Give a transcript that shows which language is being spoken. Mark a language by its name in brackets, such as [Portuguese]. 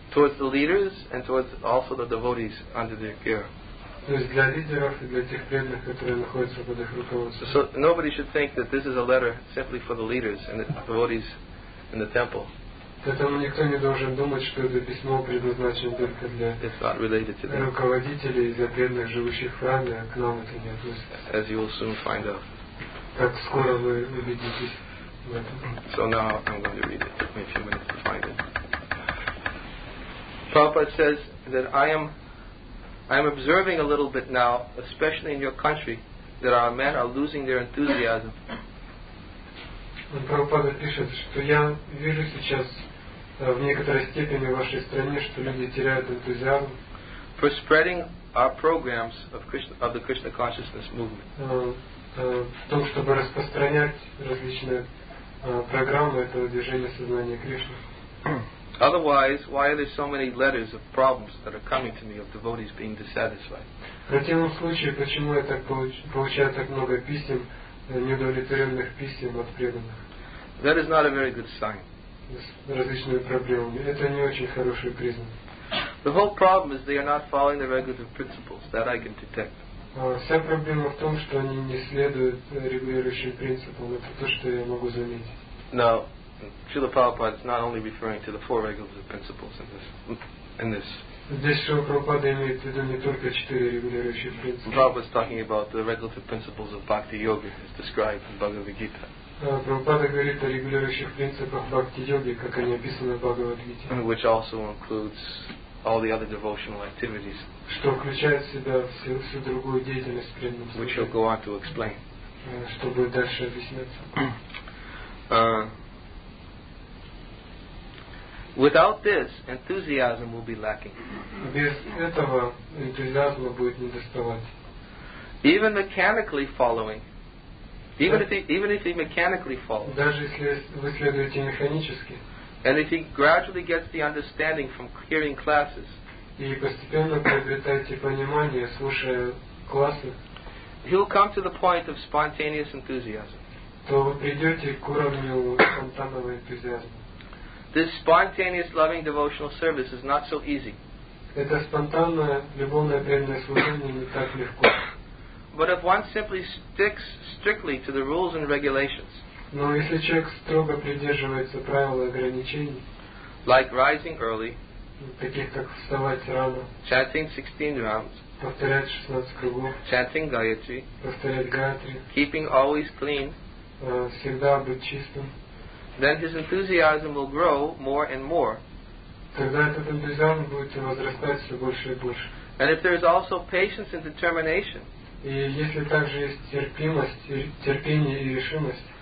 [English] Towards the leaders and towards also the devotees under their care. [Russian] То есть для лидеров и для тех преданных, которые находятся под их руководством. [English] So nobody should think that this is a letter simply for the leaders and the devotees in the temple. [Russian] Поэтому никто не должен думать, что это письмо предназначено только для руководителей и преданных, живущих в храме, а к нам это не относится. [English] As you will soon find out. [Russian] Так скоро вы убедитесь в этом. [English] So now I'm going to read it. Give me a few minutes to find it. Prabhupada says that I am observing a little bit now, especially in your country, that our men are losing their enthusiasm. [Russian] Прабхупада пишет, что я вижу сейчас в некоторой степени в вашей стране, что люди теряют энтузиазм. [English] For spreading our programs of the Krishna consciousness movement. [Russian] В том, чтобы распространять различные программы этого движения сознания Кришны. [English] Otherwise, why are there so many letters of problems that are coming to me of devotees being dissatisfied? [Russian] В противном случае, почему я так получаю так много писем, неудовлетворенных писем от преданных? [English] That is not a very good sign. [Russian] С различными проблемами. Это не очень хороший признак. [English] The whole problem is they are not following the regulative principles that I can detect. [Russian] Вся проблема в том, что они не следуют регулирующим принципам. Это то, что я могу заметить. [English] Now, Srila Prabhupada is not only referring to the four regulative principles in this. [Russian] Здесь Шрила Прабхупада имеет в виду не только четыре регулирующие принципы. [English] Prabhupada is talking about the regulative principles of bhakti yoga as described in Bhagavad Gita. [Russian] Прабхупада говорит о регулирующих принципах бхакти йоги, как они описаны в Бхагавад Гите. [English] Which also includes all the other devotional activities. [Russian] Что включает в себя всю другую деятельность преданного. [English] Which he'll go on to explain. [Russian] Что будет дальше объясняться. [English] Without this, enthusiasm will be lacking. [Russian] Без этого энтузиазма будет недоставать. [English] Even mechanically following, even if he mechanically follows. [Russian] Даже если вы следуете механически. [English] And if he gradually gets the understanding from hearing classes. [Russian] И постепенно приобретаете понимание, слушая классы. [English] He'll come to the point of spontaneous enthusiasm. [Russian] То вы придете к уровню спонтанного энтузиазма. [English] This spontaneous loving devotional service is not so easy. [Russian] Это спонтанное любовное преданное служение не так легко. [English] But if one simply sticks strictly to the rules and regulations. [Russian] Но если человек строго придерживается правил и ограничений. [English] Like rising early. [Russian] Таких как вставать рано. [English] Chanting 16 rounds. [Russian] Повторять 16 кругов. [English] Chanting Gayatri. [Russian] Повторять Гаятри. [English] Keeping always clean. [Russian] Всегда быть чистым. [English] Then his enthusiasm will grow more and more. [Russian] Тогда этот энтузиазм будет возрастать все больше и больше. [English] And if there is also patience and determination. [Russian] И если также есть терпимость, терпение и решимость.